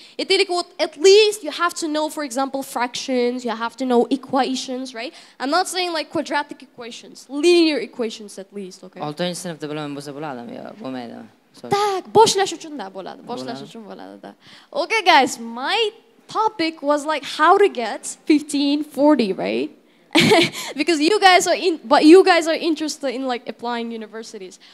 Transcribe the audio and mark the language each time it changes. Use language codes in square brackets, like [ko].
[en] Aytaylik, what at least you have to know, for example, fractions, you have to know equations, right? I'm not saying like quadratic equations, linear equations at least, okay? [uz] 6-chi sinfda bilaman bo'lsa bo'ladimi yo bo'lmaydimi? Tak, boshlash uchun da bo'ladi. Boshlash uchun bo'ladi da. [en] Okay guys, my topic was like how to get 1540, right? Because you guys are interested in like applying universities.